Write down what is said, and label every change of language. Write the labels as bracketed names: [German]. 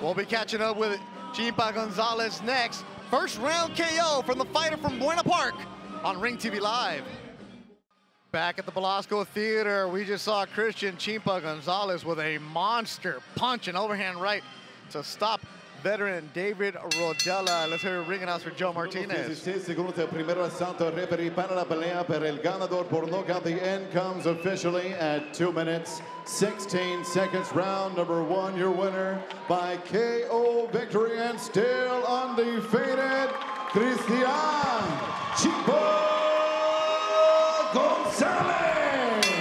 [English] We'll be catching up with Chimpa Gonzalez next. First round KO from the fighter from Buena Park on Ring TV Live. Back at the Belasco Theater, we just saw Christian Chimpa Gonzalez with a monster punch and overhand right to stop veteran David Rodela. Let's hear a ring announcer Joe Martinez. [Spanish] 16 segundos del primer asalto, referee para la pelea, pero el ganador por nocaut. [English] The end comes officially at 2 minutes, 16 seconds. Round number one, your winner by KO victory and still undefeated, Christian Chimpa Gonzalez.